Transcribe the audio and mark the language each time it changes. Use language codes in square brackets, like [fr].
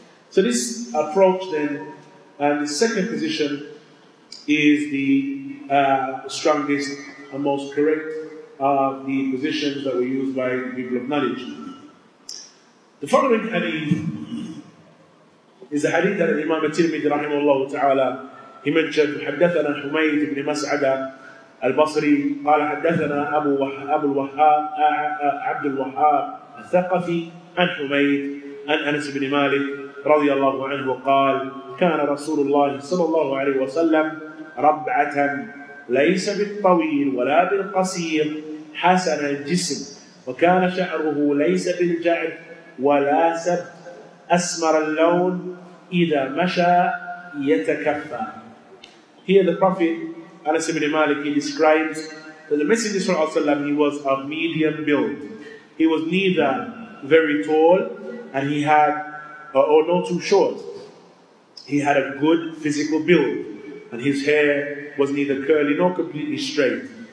[en] So this approach then, and the second position, is the strongest and most correct of the positions that were used by people of knowledge. The following hadith is a hadith that Imam al-Tirmidhi rahimahullah ta'ala, he mentioned, [ar] حَدَّثَنَا حُمَيْدِ بْنِ مَسْعَدَ الْبَصْرِي قَالَ حَدَّثَنَا أَبُو الْوَحَّابِ عَبْدُ الْوَحَّابِ الثقفي عن حميد عن أنس بن مالك رضي الله عنه قال: كان رسول الله صلى الله عليه وسلم ربعة ليس بالطويل ولا بالقصير، حسن الجسم، وكان شعره ليس بالجعد ولا سب، أسمر اللون، إذا مشى يتكفى. [en] Here the Prophet Anas ibn Malik, he describes that the Messenger صلى الله عليه وسلم, he was of medium build. He was neither very tall and he had or not too short. He had a good physical build and his hair was neither curly nor completely straight.